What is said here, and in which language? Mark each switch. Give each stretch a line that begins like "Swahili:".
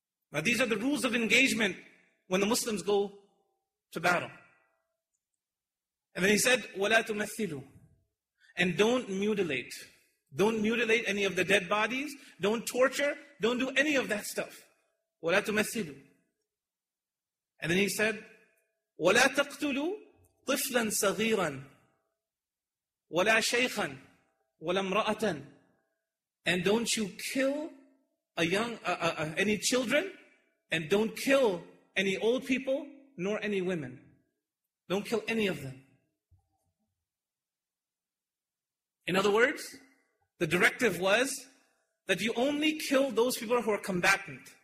English: Now these are the rules of engagement when the Muslims go to battle. And then he said,
Arabic: وَلَا تُمَثِّلُ.
English: And don't mutilate. Don't mutilate any of the dead bodies. Don't torture. Don't do any of that stuff.
Arabic: وَلَا تُمَثِّلُ.
English: And then he said,
Arabic: وَلَا تَقْتُلُوا طِفْلًا صَغِيرًا وَلَا شَيْخًا وَلَا امْرَأَةً.
English: And don't you kill any children, and don't kill any old people, nor any women. Don't kill any of them. In other words, the directive was that you only kill those people who are combatant.